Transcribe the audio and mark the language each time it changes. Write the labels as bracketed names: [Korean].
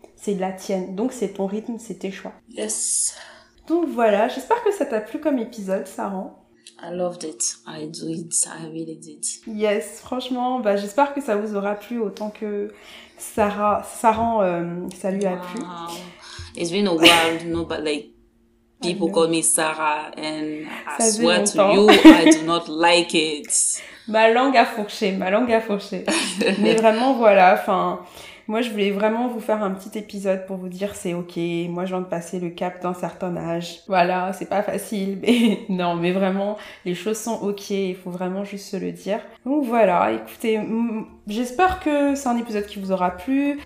[French] C'est la tienne. Donc, c'est ton rythme, c'est tes choix. [English] Yes. [French] Donc, voilà. J'espère que ça t'a plu comme épisode, Sarah. [English] I loved it. I do it. I really did. Yes. [French] Franchement, bah, j'espère que ça vous aura plu autant que Sarah, ça lui a plu. [English] It's been a while, no, but like, people call me Sarah and I swear to you, I do not like it. [French] Ma langue a fourché. Mais vraiment, voilà, enfin, moi, je voulais vraiment vous faire un petit épisode pour vous dire c'est ok, moi, je viens de passer le cap d'un certain âge. Voilà, c'est pas facile, mais non, mais vraiment, les choses sont ok, il faut vraiment juste se le dire. Donc voilà, écoutez, j'espère que c'est un épisode qui vous aura plu.